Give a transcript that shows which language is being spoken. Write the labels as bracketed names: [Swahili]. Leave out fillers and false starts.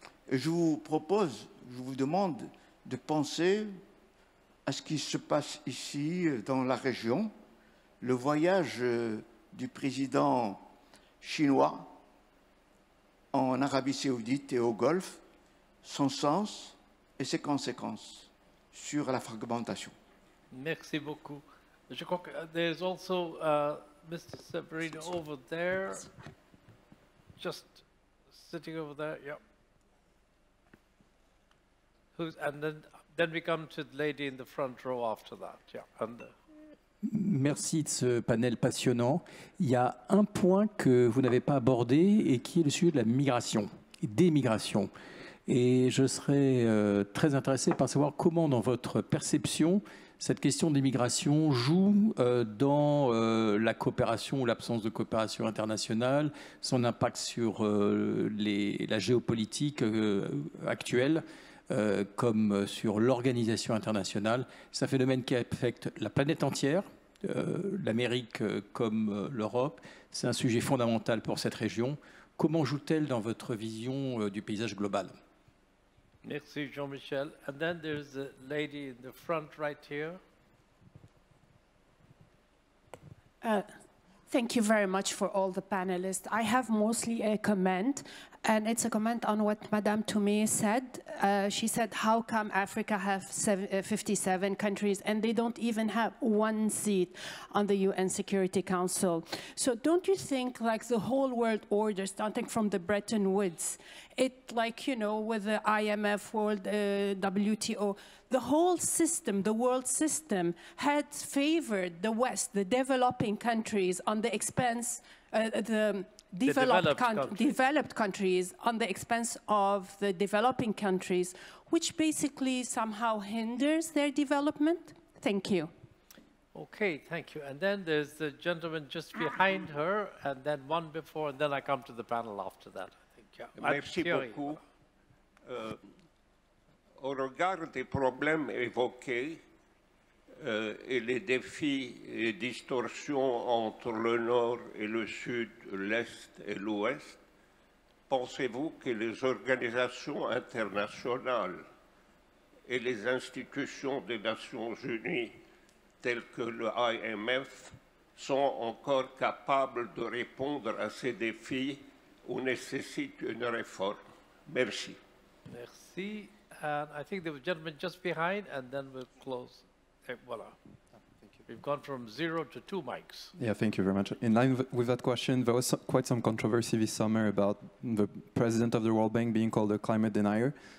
[French] Je vous propose, je vous demande de penser à ce qui se passe ici dans la région, le voyage du président chinois en Arabie Saoudite et au Golfe, son sens et ses conséquences sur la fragmentation. Merci beaucoup. Je crois que [English] there's also Mr. Severino over there, just sitting over there, yep. Who's, and then we come to the lady in the front row after that, yeah. And, [French] merci de ce panel passionnant. Il y a un point que vous n'avez pas abordé et qui est le sujet de la migration, des migrations. Et je serais très intéressé par savoir comment, dans votre perception, cette question des migrations joue dans la coopération ou l'absence de coopération internationale, son impact sur la géopolitique actuelle, comme sur l'organisation internationale. C'est un phénomène qui affecte la planète entière, l'Amérique comme l'Europe. C'est un sujet fondamental pour cette région. Comment joue-t-elle dans votre vision du paysage global? Merci, Jean-Michel. [English] And then there's a lady in the front right here. Thank you very much for all the panelists. I have mostly a comment. And it's a comment on what Madame Toumi said. She said, how come Africa have 57 countries and they don't even have one seat on the UN Security Council? So don't you think like the whole world order, starting from the Bretton Woods, it like, you know, with the IMF, World WTO, the whole system, the world system, had favored the West, the developing countries, on the expense, the developed countries on the expense of the developing countries, which basically somehow hinders their development. Thank you. Okay, thank you. And then there's the gentleman just behind her, and then one before, and then I come to the panel after that. Thank you. [French] Merci beaucoup. Au regard des problèmes évoqués et les défis et distorsions entre le Nord et le Sud, l'Est et l'Ouest, pensez-vous que les organisations internationales et les institutions des Nations Unies, telles que le IMF, sont encore capables de répondre à ces défis ou nécessitent une réforme? Merci. Merci. [English] And I think there was a gentleman just behind, and then we'll close. [French] Et voilà. [English] Thank you. We've gone from zero to two mics. Yeah, thank you very much. In line with that question, there was quite some controversy this summer about the president of the World Bank being called a climate denier.